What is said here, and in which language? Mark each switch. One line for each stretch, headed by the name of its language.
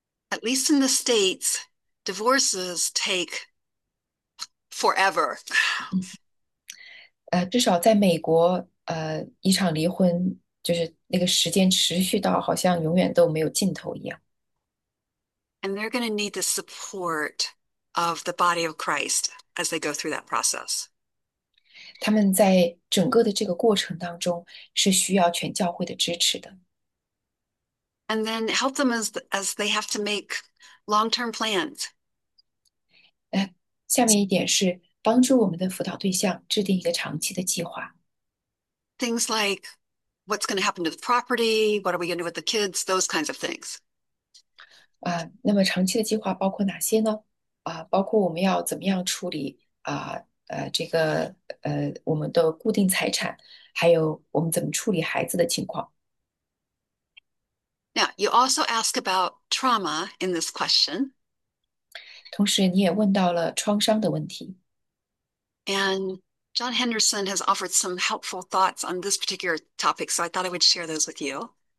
English: At least in the States, divorces take forever.
Chinese: 至少在美国，一场离婚就是那个时间持续到好像永远都没有尽头一样。
English: And they're going to need the support of the body of Christ as they go through that process.
Chinese: 他们在整个的这个过程当中是需要全教会的支持的。
English: And then help them as they have to make long-term plans.
Chinese: 下面一点是帮助我们的辅导对象制定一个长期的计划。
English: Things like what's going to happen to the property, what are we going to do with the kids, those kinds of things.
Chinese: 那么长期的计划包括哪些呢？包括我们要怎么样处理这个我们的固定财产，还有我们怎么处理孩子的情况。
English: Now, you also ask about trauma in this question.
Chinese: 同时，你也问到了创伤的问题。
English: And John Henderson has offered some helpful thoughts on this particular topic, so I thought I would share those with you.